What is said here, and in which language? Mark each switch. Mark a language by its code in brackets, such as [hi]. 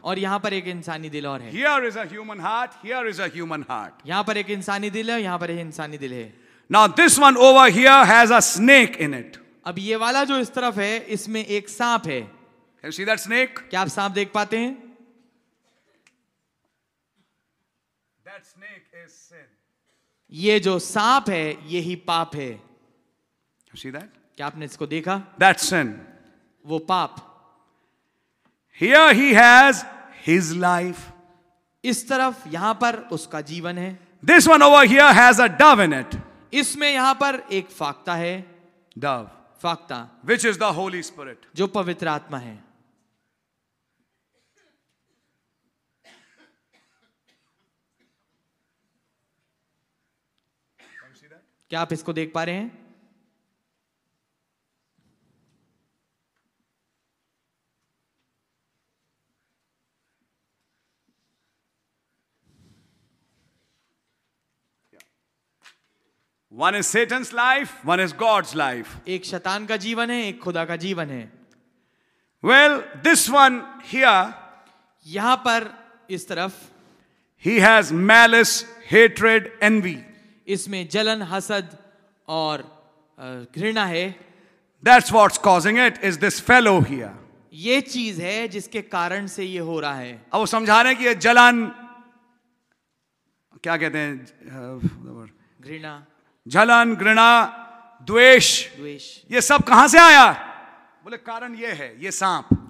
[hi] और यहाँ पर एक इंसानी दिल और है. [en] Here is a human heart. Here is a human heart. [hi] यहाँ पर एक इंसानी दिल है और यहाँ पर एक इंसानी दिल है. [en] Now this one over here has a snake in it. [hi] अब ये वाला जो इस तरफ है इसमें एक सांप है. [en] Can you see that snake? [hi] क्या आप सांप देख पाते हैं? [en] That snake is sin. [hi] ये जो सांप है यही पाप है. [en] See that? [hi] क्या आपने इसको देखा? [en] That's sin. [hi] वो पाप. [en] Here he has his life. [hi] इस तरफ यहां पर उसका जीवन है. [en] This one over here has a dove in it. [hi] इसमें यहां पर एक फाकता है. [en] Dove. [hi] फाकता. [en] Which is the Holy Spirit. [hi] जो पवित्र आत्मा है. [en] Can you see that? [hi] क्या आप इसको देख पा रहे हैं? [en] One is Satan's life, one is God's life. [hi] एक शैतान का जीवन है, एक खुदा का जीवन है. [en] Well, this one here, [hi] यहां पर इस तरफ, [en] he has malice, hatred, envy. [hi] इसमें जलन, हसद और घृणा है. [en] That's what's causing it, is this fellow here. [hi] ये चीज है जिसके कारण से ये हो रहा है. अब वो समझा रहे हैं कि ये जलन क्या कहते हैं, घृणा, जलन, घृणा, द्वेष, द्वेष, ये सब कहां से आया? बोले कारण ये है, ये सांप.